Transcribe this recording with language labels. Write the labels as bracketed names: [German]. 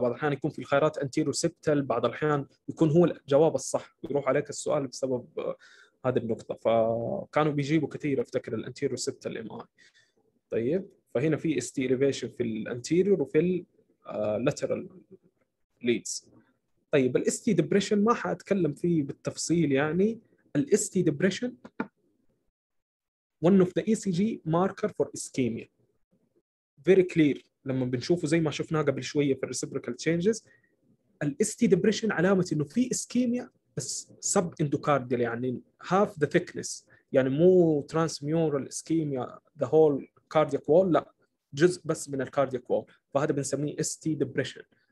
[Arabic] بعض الاحيان يكون في الخيارات انتيريور سبتال، بعض الاحيان يكون هو الجواب الصح يروح عليك السؤال بسبب هذه النقطه، فكانوا بيجيبوا كثير افتكر الانتيريور سبتال ام اي. طيب فهنا في ST elevation في الانتيريور وفي اللاترال ليدز. طيب الST depression ما حاتكلم فيه بالتفصيل، يعني الST depression [English] one of the ECG marker for ischemia very clear. [Arabic] لما بنشوفه زي ما شفناه قبل شويه في الريسبريكال تشينجز، الST depression علامه انه في ischemia بس sub endocardial، يعني [English] half the thickness، [Arabic] يعني مو [English] transmural ischemia the whole cardiac wall، [Arabic] لا جزء بس من الكارديك وول، فهذا بنسميه ST depression.